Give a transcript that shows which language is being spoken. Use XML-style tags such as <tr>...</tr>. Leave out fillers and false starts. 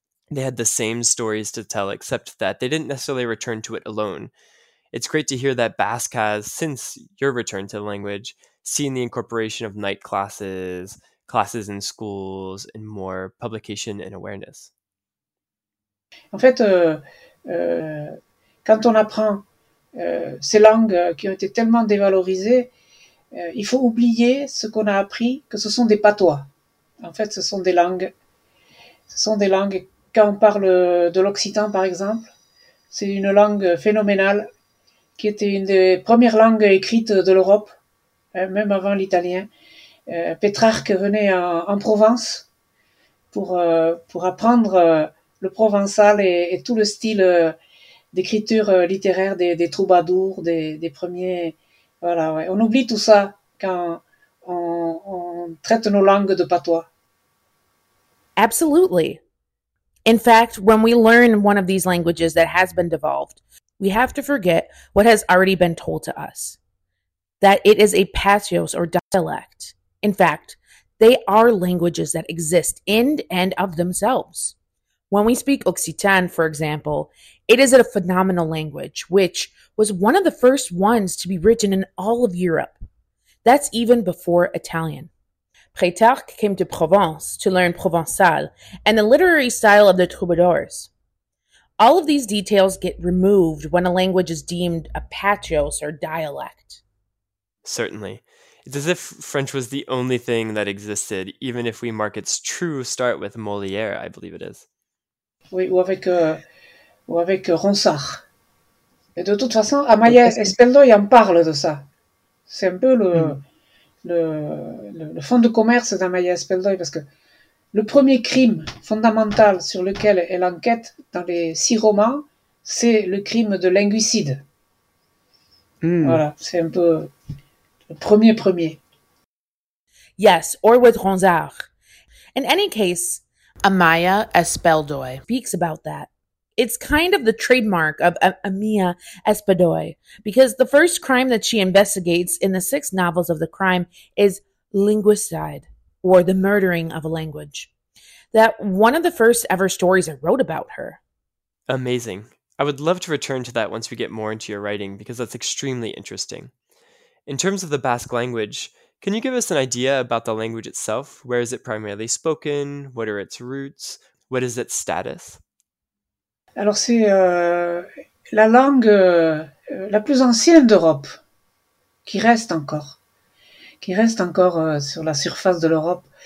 <en>They had the same stories to tell, except that they didn't necessarily return to it alone. It's great to hear that Basque has, since your return to the language, seen the incorporation of night classes, classes in schools, and more publication and awareness.</en> <fr>En fait, quand on apprend ces langues qui ont été tellement dévalorisées, il faut oublier ce qu'on a appris, que ce sont des patois. En fait, ce sont des langues. Ce sont des langues, quand on parle de l'occitan, par exemple, c'est une langue phénoménale qui était une des premières langues écrites de l'Europe, même avant l'italien. Pétrarque venait en Provence pour apprendre le provençal et tout le style d'écriture littéraire des troubadours, des premiers... Voilà, ouais. On oublie tout ça quand on traite nos langues de patois.</fr> <en>Absolutely. In fact, when we learn one of these languages that has been devolved, we have to forget what has already been told to us, that it is a patois or dialect. In fact, they are languages that exist in and of themselves. When we speak Occitan, for example, it is a phenomenal language, which was one of the first ones to be written in all of Europe. That's even before Italian. Pétrarque came to Provence to learn Provençal and the literary style of the troubadours. All of these details get removed when a language is deemed a patois or dialect. Certainly. It's as if French was the only thing that existed, even if we mark its true start with Molière, I believe it is.</en> <fr>Oui, ou avec Ronsard. Et de toute façon, Amaïs et Speldo, ils en parlent de ça. C'est un peu le fond de commerce d'Amaïs et Speldo, parce que le premier crime fondamental sur lequel elle enquête dans les 6 romans, c'est le crime de linguicide. Voilà, c'est un peu le premier.</fr> <en>Yes, or with Ronsard. In any case, Amaïa Espeldoy speaks about that. It's kind of the trademark of Amaïa Espeldoy, because the first crime that she investigates in the 6 novels of the crime is linguicide, or the murdering of a language. That one of the first ever stories I wrote about her. Amazing. I would love to return to that once we get more into your writing, because that's extremely interesting. In terms of the Basque language, can you give us an idea about the language itself? Where is it primarily spoken? What are its roots? What is its status?</en> <fr>Alors, c'est la langue la plus ancienne d'Europe, qui reste encore sur la surface de l'Europe.</fr>